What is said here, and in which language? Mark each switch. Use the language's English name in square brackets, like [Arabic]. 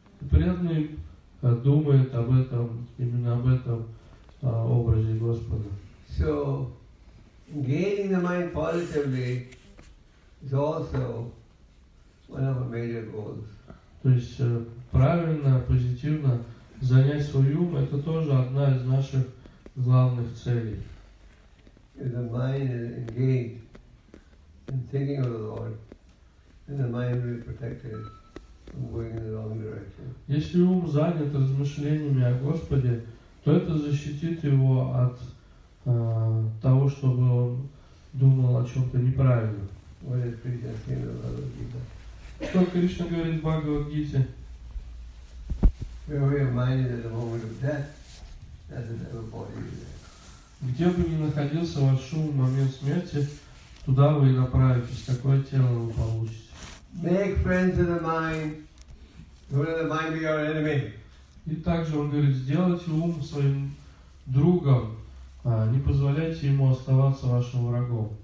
[Russian] Преданный думает об этом, именно об этом образе Господа. [English] So, gaining the mind positively is also one of our major goals. [Russian] То есть правильно, позитивно занять свой ум – это тоже одна из наших главных целей. [English] The mind is engaged. And thinking of the Lord, then the mind will be protected from going in the wrong direction. [Russian] Если ум занят размышлениями о Господе, то это защитит его от того, чтобы он думал о чем-то неправильно. [English] What is Krishna saying in Bhagavad-gita? [Russian] Что Кришна говорит в Бхагавад-гите? [English] Where your mind is at the moment of death, that is never body is there. [Russian] Где бы ни находился ваш ум в момент смерти, туда вы и направитесь, такое тело вы получите. [English] Make friends with the mind. Don't let the mind be your enemy. [Russian] И также он говорит, сделайте ум своим другом, не позволяйте ему оставаться вашим врагом.